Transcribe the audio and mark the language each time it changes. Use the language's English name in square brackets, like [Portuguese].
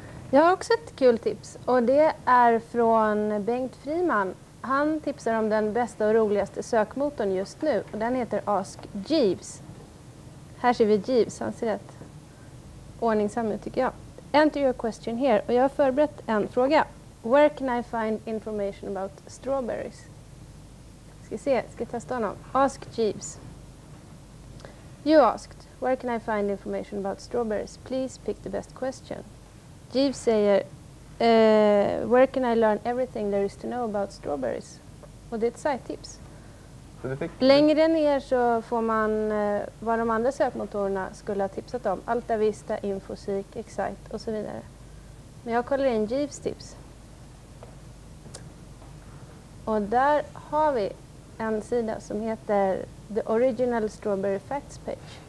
[Swedish] Jag har också ett kul tips och det är från Bengt Friman. Han tipsar om den bästa och roligaste sökmotorn just nu och den heter Ask Jeeves. Här ser vi Jeeves, han ser rätt ordningsam ut tycker jag. [English] Enter your question here [Swedish] och jag har förberett en fråga. [English] Where can I find information about strawberries? [Swedish] Ska testa honom. [English] Ask Jeeves. You asked, where can I find information about strawberries? Please pick the best question. Jeeves [Swedish] säger, [English] where can I learn everything there is to know about strawberries? [Swedish] Och det är ett sajttips. Längre ner så får man vad de andra sökmotorerna skulle ha tipsat om. Altavista, Infoseek, Excite och så vidare. Men jag kollar in Jeeves tips. Och där har vi en sida som heter The Original Strawberry Facts Page.